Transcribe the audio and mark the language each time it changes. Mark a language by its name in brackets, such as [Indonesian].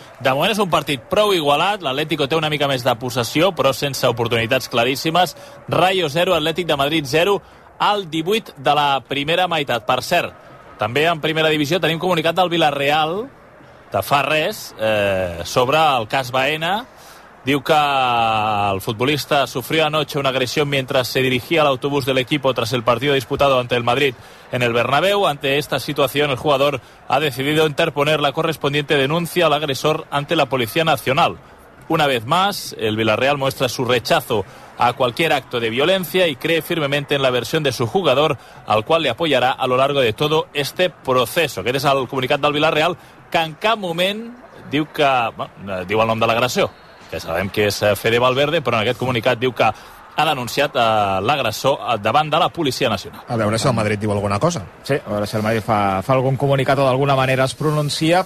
[Catalan] De moment és un partit prou igualat, l'Atlético té una mica més de possessió, però sense oportunitats claríssimes. Rayo 0, Atlètic de Madrid 0, al 18 de la primera meitat. Per cert, també en primera divisió tenim comunicat del Villarreal, de fa res, sobre el cas Baena. Diu que [Spanish] el futbolista sufrió anoche una agresión mientras se dirigía al autobús del equipo tras el partido disputado ante el Madrid en el Bernabéu. Ante esta situación, el jugador ha decidido interponer la correspondiente denuncia al agresor ante la Policía Nacional. Una vez más, el Villarreal muestra su rechazo a cualquier acto de violencia y cree firmemente en la versión de su jugador, al cual le apoyará a lo largo de todo este proceso. [Catalan] Aquest és el comunicat del Villarreal, que en cap moment diu que... Bueno, diu el nom de l'agressió. Que sabem que és Fede Valverde, però en aquest comunicat diu que ha denunciat l'agressor davant de la Policia Nacional. A veure si el Madrid diu alguna cosa. Sí, a veure si el Madrid fa algun comunicat o d'alguna manera es pronuncia.